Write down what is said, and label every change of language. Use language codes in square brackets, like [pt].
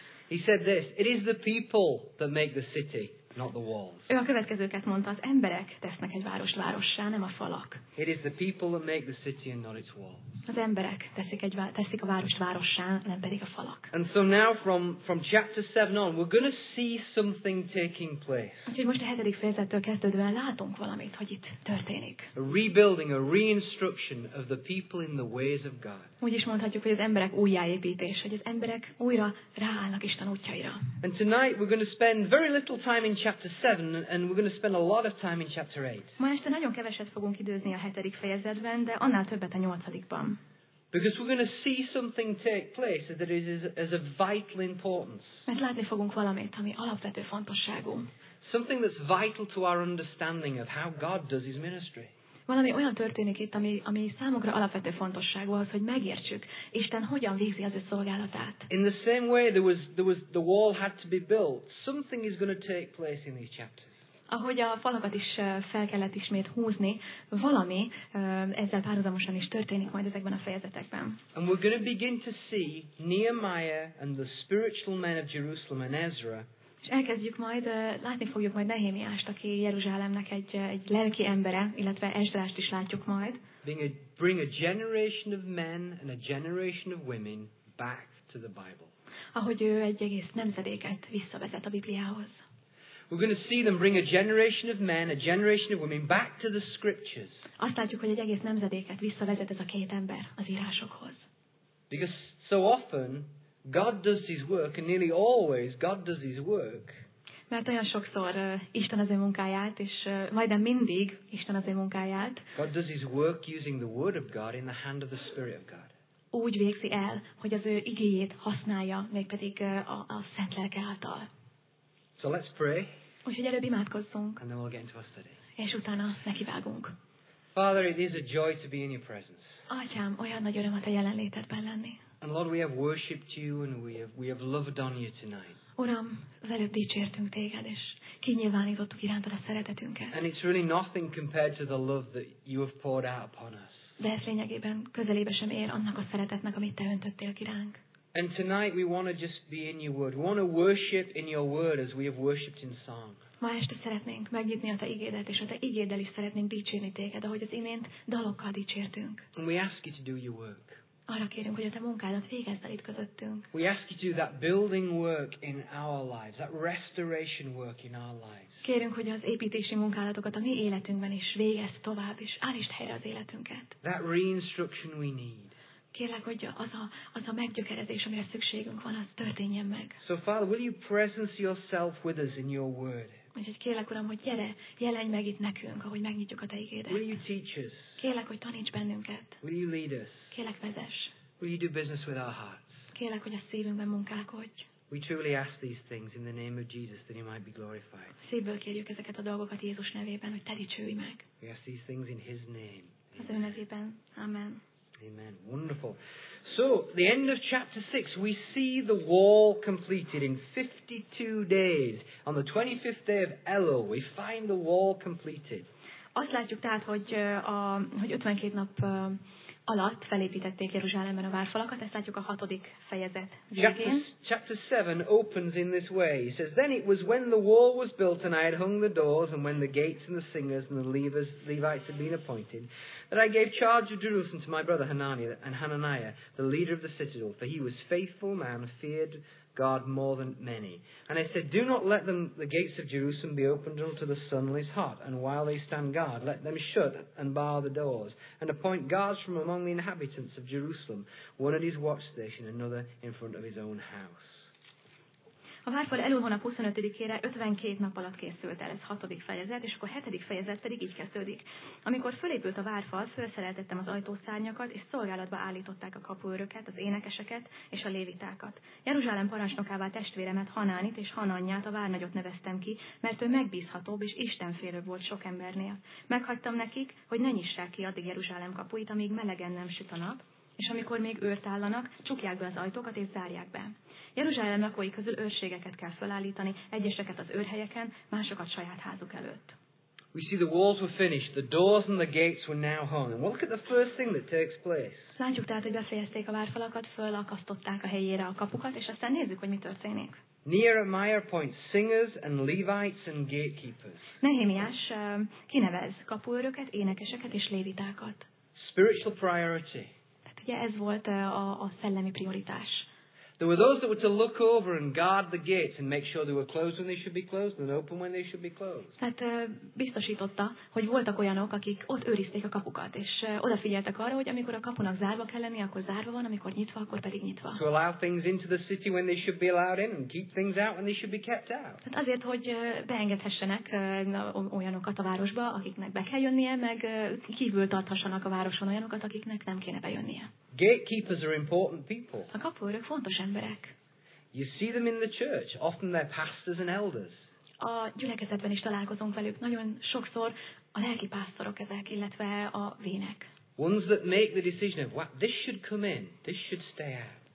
[en] He said this, it is the people that make the city, not the walls. [hu] Ő a következőket mondta, az emberek tesznek egy várost várossá, nem a falak. [en] It is the people that make the city and not its walls. [hu] Az emberek teszik a várost várossá, nem pedig a falak. [en] And so now from chapter 7 on, we're going to see something taking place. [hu] Úgyhogy most a 7. fejezettől kezdődően látunk valamit, hogy itt történik. [en] A rebuilding, a reinstruction of the people in the ways of God. [hu] Úgy is mondhatjuk, hogy az emberek újjáépítés, hogy az emberek újra ráállnak Isten útjaira. [en] And tonight we're going to spend very little time in chapter 7 and we're going to spend a lot of time in chapter 8. [hu] Ma este nagyon keveset fogunk időzni a 7. fejezetben, de annál többet a 8. [en] Because we're going to see something take place that is as a vital importance. [hu] Mert látni fogunk valamit, ami alapvető fontosságú. [en] Something that's vital to our understanding of how God does His ministry. [hu] Valami olyan történik itt, ami számunkra alapvető fontosságú az, hogy megértsük, Isten hogyan végzi az ő szolgálatát. [en] In the same way there was the wall had to be built. Something is going to take place in these chapters. [hu] Ahogy a falakat is fel kellett ismét húzni, valami ezzel párhuzamosan is történik majd ezekben a fejezetekben. [en] And we're going to begin to see Nehemiah and the spiritual men of Jerusalem and Ezra. [hu] És elkezdjük majd, látni fogjuk majd Nehémiást, aki Jeruzsálemnek egy lelki embere, illetve Ezrást is látjuk majd. [en] Bring a generation of men and a generation of women back to the Bible. [hu] Ahogy ő egy egész nemzedéket visszavezet a Bibliához. [en] We're going to see them bring a generation of men, a generation of women back to the scriptures. [hu] Azt látjuk, hogy egy egész nemzedéket visszavezet ez a két ember az írásokhoz. [en] Because so often God does his work and nearly always God does his work. [hu] Mert olyan sokszor Isten az ő munkáját, és majdnem mindig Isten az ő munkáját. [en] God does his work using the word of God in the hand of the Spirit of God. [hu] Úgy végzi el, hogy az ő igéjét használja, mégpedig a Szent Lelke által. [en] So let's pray. [hu] Úgyhogy előbb imádkozzunk. [en] And then we'll get into our study. [hu] És utána nekivágunk. [en] Father, it is a joy to be in your presence. [hu] Atyám, olyan nagy öröm a te jelenlétedben lenni. [en] And Lord, we have worshipped you and we have loved on you tonight. [hu] Uram, veled dicsértünk téged, és kinyilvánítottuk irántad a szeretetünket. [en] And it's really nothing compared to the love that you have poured out upon us. [hu] De ez lényegében közelébe sem ér annak a szeretetnek, amit te öntöttél kiránk. [en] And tonight we want to just be in your word. We want to worship in your word as we have worshipped in song. [hu] Ma este szeretnénk megnyitni a te igédet, és a te igéddel is szeretnénk dicsérni téged, ahogy az imént dalokkal dicsértünk. [en] And we ask you to do your work. [hu] Arra kérünk, hogy a te munkádat végezd el itt közöttünk. [en] We ask you to do that building work in our lives, that restoration work in our lives. [hu] Kérünk, hogy az építési munkálatokat a mi életünkben is végezd tovább, és állítsd helyre az életünket. [en] That reinstruction we need. [hu] Kérlek, hogy az a meggyökerezés, amire szükségünk van, az történjen meg. [en] So Father, will you presence yourself with us in your word? [hu] Úgyhogy kérlek, Uram, hogy gyere, jelenj meg itt nekünk, ahogy megnyitjuk a te igédet. [en] Will you teach us? [hu] Kérlek, hogy taníts bennünket. [en] Will you lead us? [hu] Kérlek, vezess. [en] Will you do business with our hearts? [hu] Kérlek, hogy a szívünkben munkálkodj. [en] We truly ask these things in the name of Jesus, that he might be glorified. [hu] Szívből kérjük ezeket a dolgokat Jézus nevében, hogy te dicsőj meg. [en] We ask these things in his name. [hu] Az ő nevében. Amen. [en] Amen. Wonderful. So, the end of chapter 6, we see the wall completed in 52 days. On the 25th day of Elul, we find the wall completed. [hu] Azt látjuk tehát, hogy 52 nap alatt felépítették Jeruzsálemben a várfalakat. Ezt látjuk a 6. fejezet végén. [en] Chapter 7 opens in this way. He says, then it was when the wall was built and I had hung the doors and when the gates and the singers and the Levites had been appointed, that I gave charge of Jerusalem to my brother Hanani and Hananiah, the leader of the citadel, for he was faithful man, feared God more than many. And I said, do not let them, the gates of Jerusalem be opened until the sun is hot, and while they stand guard, let them shut and bar the doors, and appoint guards from among the inhabitants of Jerusalem, one at his watch station, another in front of his own house. [hu] A várfal Elul hónap 25-ére 52 nap alatt készült el, ez 6. fejezet, és akkor 7. fejezet pedig így kezdődik. Amikor fölépült a várfal, felszereltettem az ajtószárnyakat, és szolgálatba állították a kapuőröket, az énekeseket és a lévitákat. Jeruzsálem parancsnokává testvéremet, Hanánit és Hananyát, a várnagyot neveztem ki, mert ő megbízhatóbb és istenfélőbb volt sok embernél. Meghagytam nekik, hogy ne nyissák ki addig Jeruzsálem kapuit, amíg melegen nem süt a nap, és amikor még őrt állanak, csukják be az ajtókat és zárják be. Jeruzsálem lakói közül őrségeket kell felállítani, egyeseket az őrhelyeken, másokat saját házuk előtt. [en] We see the walls were finished, the doors and the gates were now hung. And look at the first thing that takes place. [hu] Látjuk tehát, hogy befejezték a várfalakat, fölakasztották a helyére a kapukat, és aztán nézzük, hogy mi történik. [en] Nehemiah appoints singers and Levites and gatekeepers. [hu] Nehemiás kinevez kapuőröket, énekeseket és lévitákat. [en] Spiritual priority. [hu] Tehát ugye ez volt a szellemi prioritás. [en] There were those that were to look over and guard the gates and make sure they were closed when they should be closed and open when they should be closed. [hu] Tehát biztosította, hogy voltak olyanok, akik ott őrizték a kapukat, és odafigyeltek arra, hogy amikor a kapunak zárva kell lenni, akkor zárva van, amikor nyitva, akkor pedig nyitva. [en] To allow things into the city when they should be allowed in and keep things out when they should be kept out. [hu] Tehát azért, hogy beengedhessenek olyanokat a városba, akiknek be kell jönnie, meg kívül tarthassanak a városon olyanokat, akiknek nem kéne bejönnie. [en] Gatekeepers are important people. [hu] A kapuőrök fontos emberek. [en] You see them in the church, often they're pastors and elders. [hu] A gyülekezetben is találkozunk velük, nagyon sokszor a lelki pásztorok ezek, illetve a vének. [en] Ones that make the decision of what this should come in, this should stay out.